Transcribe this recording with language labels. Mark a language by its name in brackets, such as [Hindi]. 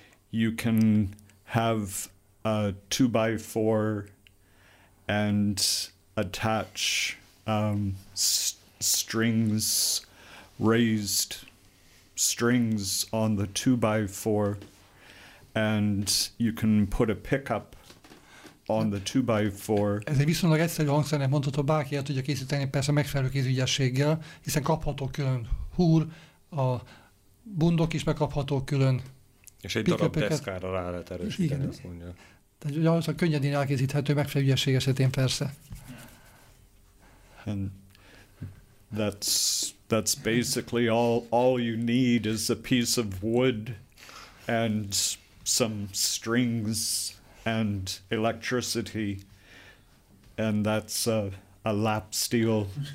[English] You can have a 2x4 and attach strings, raised strings on the 2x4, and you can put a pickup on the 2x4. [Hungarian] Ez egy viszonylag egyszerű hangszernek mondható, bárki el tudja készíteni, persze megfelelő kézügyességgel, hiszen kapható külön húr, a bundok is megkapható külön. És egy darab deszkára rá lehet erősíteni, azt mondja. Tehát az a könnyedén elkészíthető megfelelő ügyesség esetén persze. [English] And that's basically all you need is a piece of wood and some strings and electricity and that's a lap steel.